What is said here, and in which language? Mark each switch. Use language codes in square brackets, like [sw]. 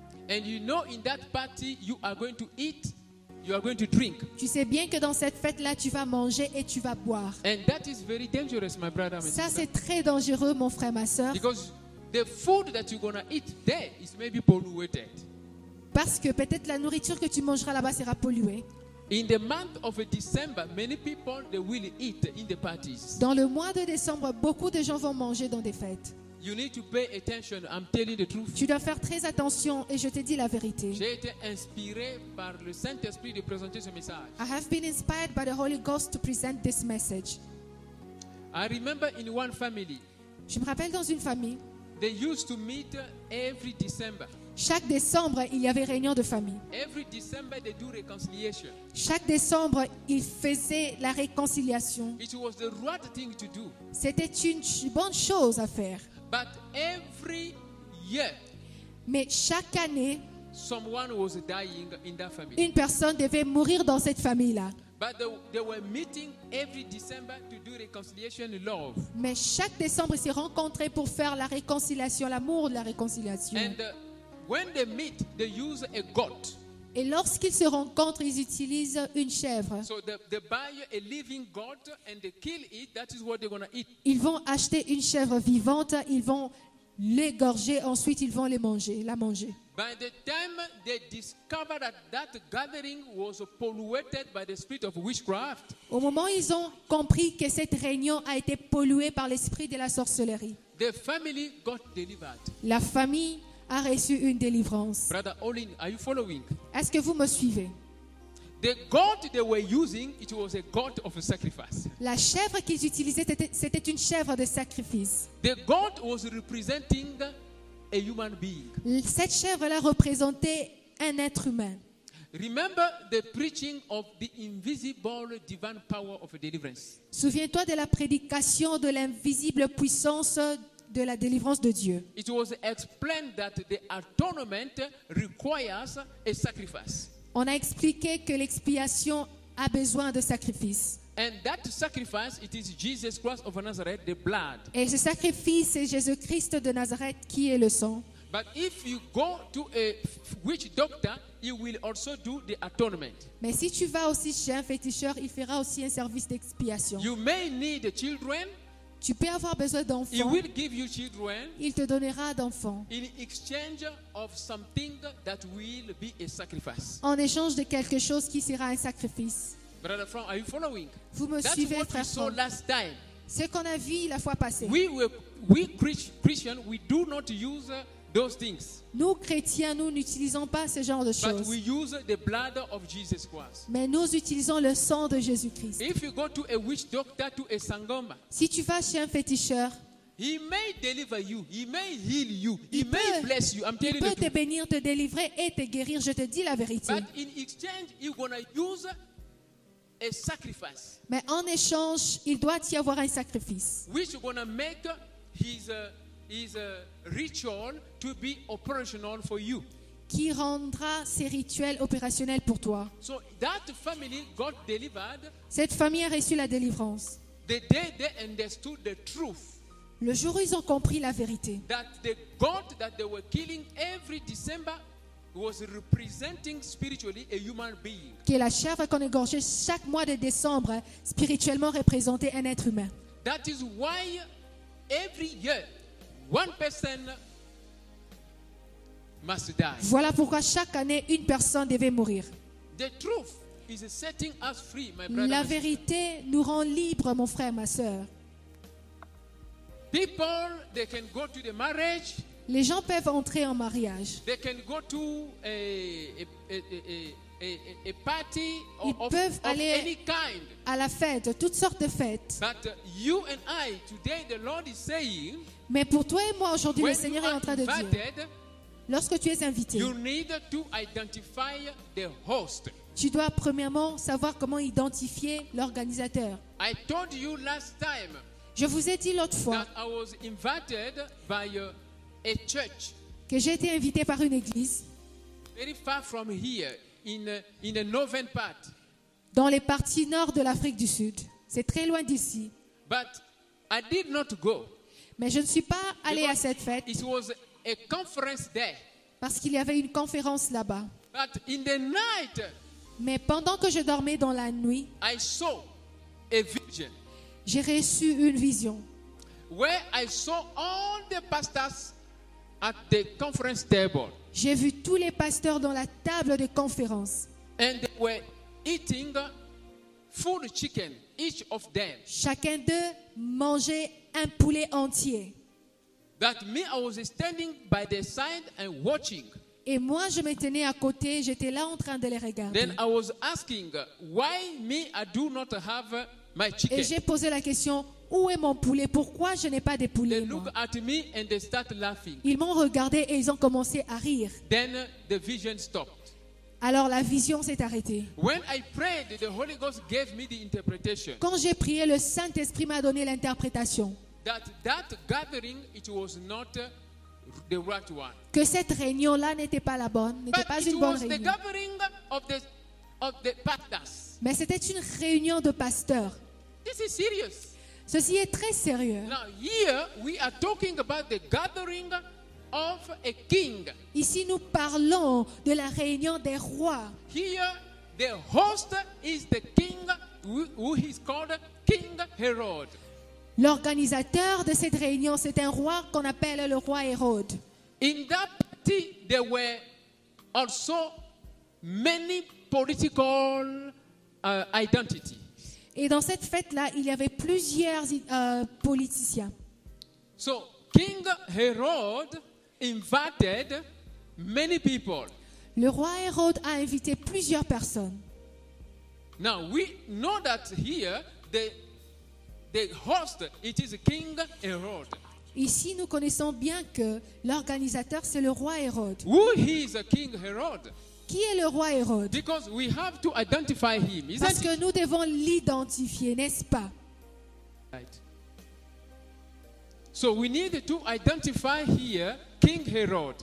[en] And you know, in that party, you are going to eat, you are going to drink. [fr] Tu sais bien que dans cette fête-là, tu vas manger et tu vas boire. [en] And that is very dangerous, my brother. [fr] Ça, c'est très dangereux, mon frère, ma sœur. [en] Because the food that you're gonna eat there is maybe polluted. [fr] Parce que peut-être la nourriture que tu mangeras là-bas sera polluée. [en] In the month of December, many people they will eat in the parties. [fr] Dans le mois de décembre, beaucoup de gens vont manger dans des fêtes. [en] You need to pay attention. I'm telling the truth. [fr] Tu dois faire très attention et je te dis la vérité. J'ai été inspiré par le Saint-Esprit de présenter ce message. [en] I have been inspired by the Holy Ghost to present this message. I remember in one family. [fr] Je me rappelle dans une famille. [en] They used to meet every December. [fr] Chaque décembre, il y avait réunion de famille. [en] Every December they do reconciliation. [fr] Chaque décembre, ils faisaient la réconciliation. [en] It was the right thing to do. [fr] C'était une bonne chose à faire. [en] But every year, [fr] mais chaque année, [en] someone was dying in that family. [fr] Une personne devait mourir dans cette famille-là. [en] But they were meeting every December to do reconciliation love. [fr] Mais chaque décembre, ils se rencontraient pour faire la réconciliation, l'amour de la réconciliation. [en] And when they meet, they use a goat. [fr] Et lorsqu'ils se rencontrent, ils utilisent une chèvre. [en] So they buy a living goat and they kill it. That is what they're gonna eat. [fr] Ils vont acheter une chèvre vivante, ils vont l'égorger, ensuite ils vont la manger. [en] By the time they discovered that that gathering was polluted by the spirit of witchcraft. [fr] Au moment où ils ont compris que cette réunion a été polluée par l'esprit de la sorcellerie. [en] The family got delivered. [fr] La famille a reçu une délivrance. [en] Brother Olin, are you following? [fr] Est-ce que vous me suivez? [en] The goat they were using, it was a goat of a sacrifice. [fr] La chèvre qu'ils utilisaient c'était une chèvre de sacrifice. [en] The goat was representing a human being. [fr] Cette chèvre là représentait un être humain. [en] Remember the preaching of the invisible divine power of deliverance. [fr] Souviens-toi de la prédication de l'invisible puissance de la délivrance de Dieu. [en] It was explained that the atonement requires a sacrifice. [fr] On a expliqué que l'expiation a besoin de sacrifice. [en] And that sacrifice, it is Jesus Christ of Nazareth, the blood. [fr] Et ce sacrifice, c'est Jésus-Christ de Nazareth qui est le sang. [en] But if you go to a witch doctor, he will also do the atonement. [fr] Mais si tu vas aussi chez un féticheur, il fera aussi un service d'expiation. [en] You may need children. [fr] Tu peux avoir besoin d'enfants. [en] He will give you children. [fr] Il te donnera d'enfants. [en] In exchange of something that will be a sacrifice. [fr] En échange de quelque chose qui sera un sacrifice. [en] Brother Frank, are you following? [fr] Vous me [en] That's [fr] suivez, [en] what [fr] frère [en] we saw last time. [fr] Ce qu'on a vu la fois passée. [en] We Christians, we do not use those things. [fr] Nous chrétiens, nous n'utilisons pas ce genre de choses. [en] But we use the blood of Jesus Christ. [fr] Mais nous utilisons le sang de Jésus-Christ. [en] If you go to a witch doctor, to a sangoma, [fr] si tu vas chez un féticheur, [en] he may deliver you, he may heal you, he may bless you. I'm telling [fr] you. Il peut te bénir, te délivrer et te guérir. Je te dis la vérité. [en] But in exchange, you're gonna use a sacrifice. [fr] Mais en échange, il doit y avoir un sacrifice. [en] Which is gonna make his ritual to be operational for you. [fr] qui rendra ces rituels opérationnels pour toi. [en] So that family got delivered. [fr] Cette famille a reçu la délivrance. [en] The day they understood the truth. [fr] Le jour où ils ont compris la vérité. [en] That the God that they were killing every December was representing spiritually a human being. [fr] Que la chèvre qu'on égorgeait chaque mois de décembre spirituellement représentait un être humain. [en] That is why every year one person must die. [fr] Voilà pourquoi chaque année une personne devait mourir. [en] The truth is setting us free, my brother. [fr] La vérité nous rend libres, mon frère, ma sœur. [en] People, they can go to the marriage. [fr] Les gens peuvent entrer en mariage. [en] They can go to a party [fr] ils [en] of, [fr] peuvent [en] of [fr] aller [en] any kind. [fr] À la fête, toutes sortes de fêtes. [en] But you and I, today the Lord is saying, [fr] mais pour toi et moi, aujourd'hui, le Seigneur est en train de dire, lorsque tu es invité, [en] you need to identify the host. [fr] Tu dois premièrement savoir comment identifier l'organisateur. [en] I told you last time, [fr] je vous ai dit l'autre fois [en] that I was invited by a church, [fr] que j'ai été invité par une église [en] very far from here, in the northern part. [fr] Dans les parties nord de l'Afrique du Sud. C'est très loin d'ici. [en] But I did not go. [fr] Mais je ne suis pas allé à cette fête. [en] It was a conference there. [fr] Parce qu'il y avait une conférence là-bas. [en] But in the night, [fr] mais pendant que je dormais dans la nuit, [en] I saw a vision. [fr] J'ai reçu une vision. [en] Where I saw all the pastors at the conference table. [fr] J'ai vu tous les pasteurs dans la table de conférence. [en] And they were eating full chicken, each of them. [fr] Chacun d'eux mangeait un poulet entier. [en] That me, I was standing by their side and watching. [fr] Et moi, je me tenais à côté, j'étais là en train de les regarder. [en] Then I was asking, why me, I do not have my chicken. [fr] Et j'ai posé la question, où est mon poulet? Pourquoi je n'ai pas de poulet? [en] They look at me and they start laughing. [fr] Ils m'ont regardé et ils ont commencé à rire. [en] Then the vision stopped. [fr] Alors la vision s'est arrêtée. [en] When I prayed, the Holy Ghost gave me the interpretation. [fr] Quand j'ai prié, le Saint-Esprit m'a donné l'interprétation. [en] That gathering, it was not the right one. [fr] Que cette réunion-là n'était pas la bonne, n'était [en] But [fr] pas une [en] it [fr] bonne [en] was [fr] réunion. [en] The gathering of the pastors. [fr] Mais c'était une réunion de pasteurs. [en] This is serious. [fr] Ceci est très sérieux. [en] Now, here we are talking about the gathering of a king. [fr] Ici, nous parlons de la réunion des rois. [en] Here, the host is the king who is called King Herod. [fr] L'organisateur de cette réunion, c'est un roi qu'on appelle le roi Hérode. [en] In that party, there were also many political identities. [fr] Et dans cette fête-là, il y avait plusieurs politiciens. [en] So, King Herod invited many people. [fr] Le roi Hérode a invité plusieurs personnes. [en] Now, we know that here, the host, it is King Herod. [fr] Ici, nous connaissons bien que l'organisateur, c'est le roi Hérode. [en] Who is King Herod? [fr] Qui est le roi Hérode? [en] Because we have to identify him, isn't [fr] parce que [en] it? [fr] Nous devons l'identifier, n'est-ce pas? [en] Right. So we need to identify here King Herod.